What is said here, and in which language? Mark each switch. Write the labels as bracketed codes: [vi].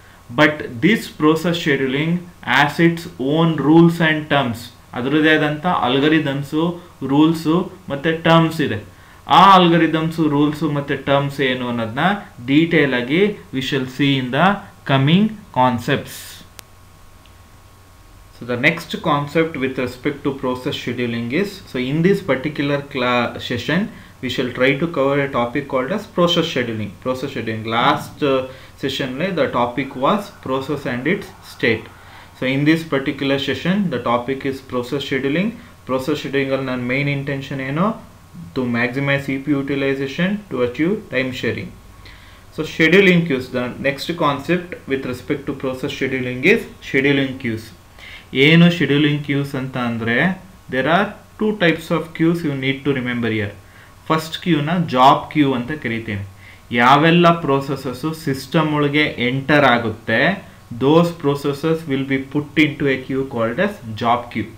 [en] but this process scheduling as its own rules and terms, [kn] ಅದರದೇ ಆದಂಥ ಅಲ್ಗರಿದಮ್ಸು rules ಮತ್ತು terms ಇದೆ. ಆ ಅಲ್ಗರಿದಮ್ಸು ರೂಲ್ಸು ಮತ್ತು ಟರ್ಮ್ಸ್ ಏನು ಅನ್ನೋದನ್ನ ಡೀಟೇಲ್ ಆಗಿ [en] We shall see in the coming concepts. So the next concept with respect to process scheduling is, so in this particular class session we shall try to cover a topic called as process scheduling. Process scheduling last session [kn] le [en] the topic was process and its state. So in this particular session the topic is process scheduling. Process scheduling [kn] alla nan [en] main intention [kn] eno, [en] to maximize CPU utilization to achieve time sharing. So scheduling queues, the next concept with respect to process scheduling is scheduling queues. [kn] ಏನು scheduling Qs ಅಂತ ಅಂದರೆ, [en] There are two types of queues you need to remember here. [kn] First ಕ್ಯೂನ job Q ಅಂತ ಕರಿತೀನಿ. ಯಾವೆಲ್ಲ ಪ್ರೋಸೆಸಸ್ಸು system ಒಳಗೆ enter ಆಗುತ್ತೆ [en] Those processes will be put into a queue called as job queue.